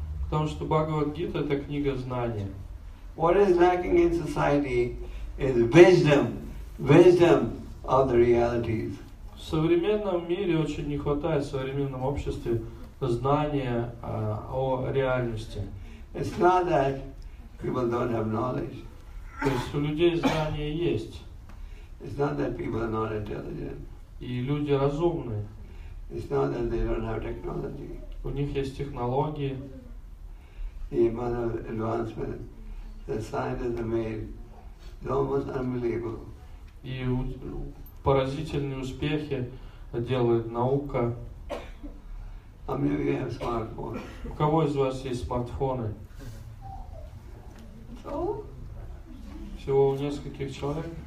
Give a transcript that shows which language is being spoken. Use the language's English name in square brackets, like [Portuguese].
[Russian] Потому что Бхагавад Гита это книга знания. [English] What is lacking in society is wisdom, wisdom of the realities. [Russian] В современном мире очень не хватает в современном обществе знания о реальности. [English] It's not that people don't have knowledge. [Russian] То есть у людей знания есть. [English] It's not that people are not intelligent. [Russian] И люди разумны. [English] It's not that they don't have technology. [Russian] У них есть технологии. [English] The amount of advancement that scientists have made is almost unbelievable. [Russian] И поразительные успехи делает наука. [English] How many of you have smartphones? [Russian] У кого из вас есть смартфоны? Всего у нескольких человек?